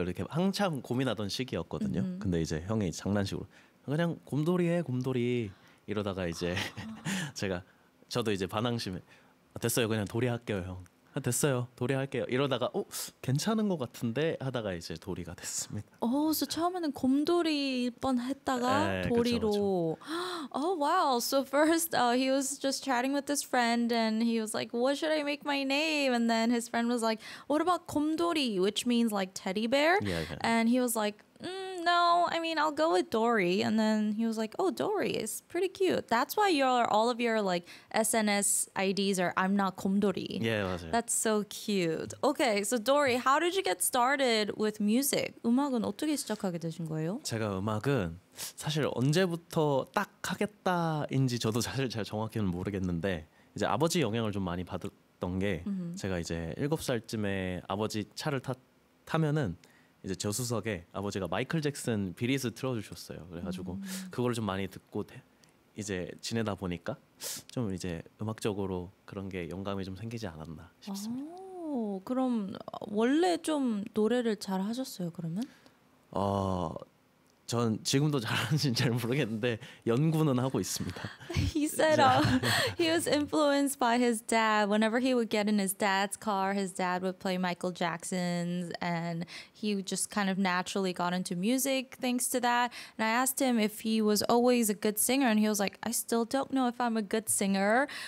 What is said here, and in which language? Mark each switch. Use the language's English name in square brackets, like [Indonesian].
[Korean] 이렇게 한참 고민하던 시기였거든요. 음흠. 근데 이제 형이 장난식으로 그냥 곰돌이 해 곰돌이 이러다가 이제 제가 저도 이제 반항심에 됐어요 그냥 도리 할게요 형 됐어요 도리 할게요 이러다가 어 괜찮은 것 같은데 하다가 이제 도리가 됐습니다. 어 그래서 처음에는 곰돌이 뻔 했다가 도리로. 그쵸, 그쵸. [English] Oh wow. So first he was just chatting with his friend and he was like, "What should I make my name?" And then his friend was like, "What about 곰돌이, which means like teddy bear?" Yeah, yeah. And he was like, "No, I mean I'll go with Dory." And then he was like, "Oh, Dory is pretty cute." That's why all of your like SNS IDs are "I'm not 곰돌이." Yeah, [Korean] 맞아요. [English] That's so cute. Okay, so Dory, how did you get started with music? [Korean] 음악은 어떻게 시작하게 되신 거예요? 제가 음악은 사실 언제부터 딱 하겠다인지 저도 사실 제가 정확히는 모르겠는데 이제 아버지 영향을 좀 많이 받았던 게 제가 이제 7살쯤에 아버지 차를 타면은 이제 저수석에 아버지가 마이클 잭슨 비리스 틀어주셨어요. 그래가지고 그걸 좀 많이 듣고 이제 지내다 보니까 좀 이제 음악적으로 그런 게 영감이 좀 생기지 않았나 싶습니다. 오, 그럼 원래 좀 노래를 잘 하셨어요 그러면? 전 지금도 잘하는지는 잘 모르겠는데 연구는 하고 있습니다. [English] He said he was influenced by his dad. Whenever he would get in his dad's car, his dad would play Michael Jackson's, and he just kind of naturally got into music thanks to that. And I asked him if he was always a good singer, and he was like, "I still don't know if I'm a good singer.